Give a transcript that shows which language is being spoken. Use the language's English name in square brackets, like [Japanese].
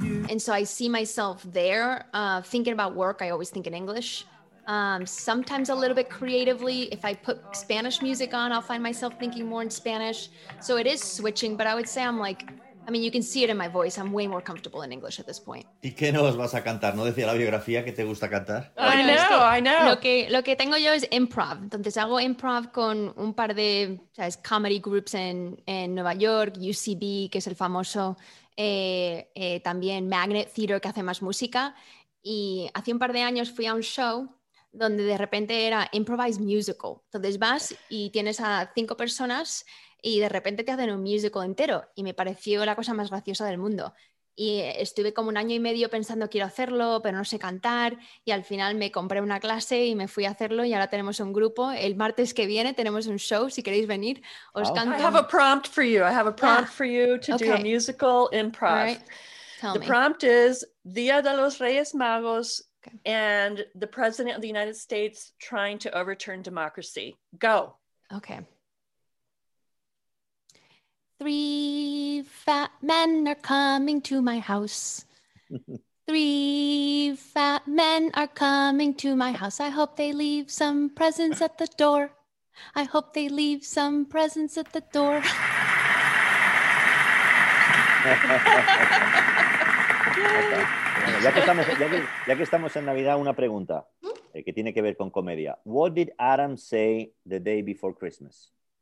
[English] And so I see myself there, thinking about work, I always think in English. Sometimes a little bit creatively, if I put Spanish music on, I'll find myself thinking more in Spanish. So it is switching, but I would say you can see it in my voice. I'm way more comfortable in English at this point. [Spanish] ¿Y qué nos vas a cantar? ¿No decía la biografía que te gusta cantar? [English] I know. [Spanish] Lo que tengo yo es improv. Entonces hago improv con un par de, ¿sabes? [English] Comedy groups [Spanish] en Nueva York, UCB, que es el famoso... también Magnet Theater, que hace más música, y hace un par de años fui a un show donde de repente era [English] improvised musical. [Spanish] Entonces vas y tienes a 5 personas y de repente te hacen un musical entero, y me pareció la cosa más graciosa del mundo, y estuve como un año y medio pensando quiero hacerlo, pero no sé cantar, y al final me compré una clase y me fui a hacerlo, y ahora tenemos un grupo. El martes que viene tenemos un show, si queréis venir os canto. [English] I have a prompt for you. I have a prompt for you to do a musical improv. All right. The prompt is Día de los Reyes Magos and the President of the United States trying to overturn democracy. Go. Okay. 3 fat men are coming to my house. 3 fat men are coming to my house. I hope they leave some presents at the door. I hope they leave some presents at the door. [Spanish] Bueno, ya que estamos en Navidad, una pregunta que tiene que ver con comedia. [English] What did Adam say the day before Christmas?